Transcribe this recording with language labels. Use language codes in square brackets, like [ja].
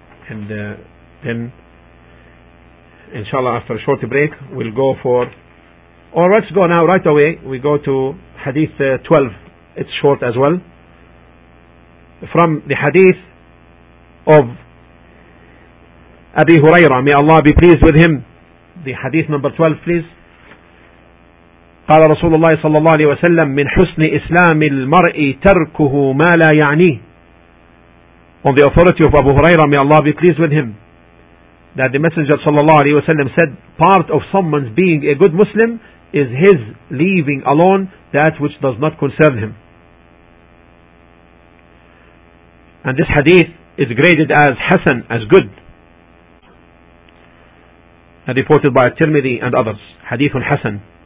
[en] And then inshallah after a short break we'll go for, or let's go now right away, we go to hadith 12. It's short as well. From the hadith of Abi Huraira, may Allah be pleased with him, the hadith number 12, please. [ar] قال رسول الله صلى الله عليه وسلم من حسن إسلام المرء تركه ما لا يعنيه. [en] On the authority of Abu Huraira, may Allah be pleased with him, that the Messenger [ar] صلى الله عليه وسلم [en] said, part of someone's being a good Muslim is his leaving alone that which does not concern him. And this hadith is graded as hasan, as good, and reported by Tirmidhi and others. Hadith hasan.